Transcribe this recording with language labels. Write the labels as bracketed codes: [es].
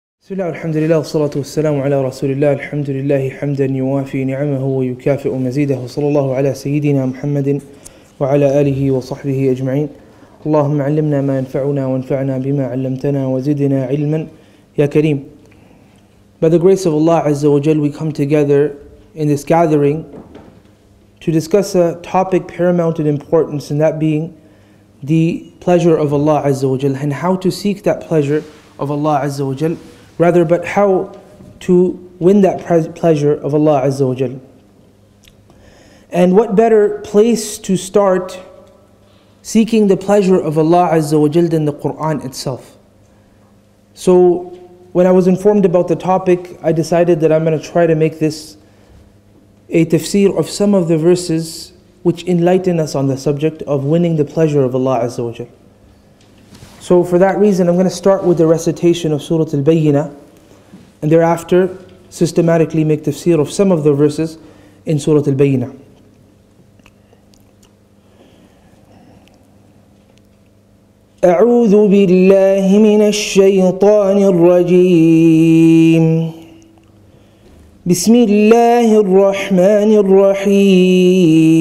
[ar] بسم الله الحمد لله والصلاة والسلام على رسول الله الحمد لله حمدا يوافي نعمه ويكافئ مزيده صلى الله على سيدنا محمد وعلى آله وصحبه أجمعين اللهم علمنا ما ينفعنا وانفعنا بما علمتنا وزدنا علما يا كريم. [en] By the grace of Allah عز وجل, we come together in this gathering to discuss a topic paramount in importance, and that being the pleasure of Allah عز وجل, and how to seek that pleasure of Allah عز وجل. Rather, but how to win that pleasure of Allah Azza wa Jal. And what better place to start seeking the pleasure of Allah Azza wa Jal than the Qur'an itself. So, when I was informed about the topic, I decided that I'm going to try to make this a tafsir of some of the verses which enlighten us on the subject of winning the pleasure of Allah Azza wa Jal. So for that reason, I'm going to start with the recitation of Surah Al-Bayyinah, and thereafter systematically make tafsir of some of the verses in Surah Al-Bayyinah. [ar] أعوذ بالله من الشيطان الرجيم بسم الله الرحمن الرحيم